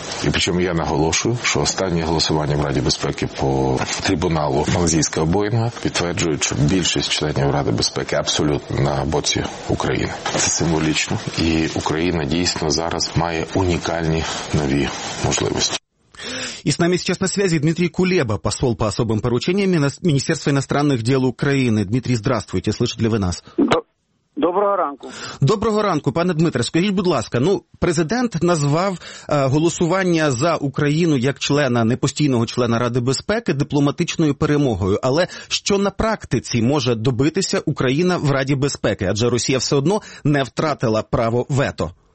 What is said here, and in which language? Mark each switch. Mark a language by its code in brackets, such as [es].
[uk] І причому я наголошую, що останнє голосування в Раді Безпеки по трибуналу Малайзійського Боїнга підтверджує, що більшість членів Ради Безпеки абсолютно на боці України. Це символічно. І Україна дійсно зараз має унікальні нові можливості. [ru] И с нами сейчас на связи Дмитрий Кулеба, посол по особым поручениям Министерства иностранных дел Украины. Дмитрий, здравствуйте, слышите ли вы нас? [uk] Доброго ранку. Доброго ранку, пане Дмитре. Скажіть, будь ласка, президент назвав голосування за Україну як члена, непостійного члена Ради безпеки, дипломатичною перемогою. Але що на практиці може добитися Україна в Раді безпеки? Адже Росія все одно не втратила право вето.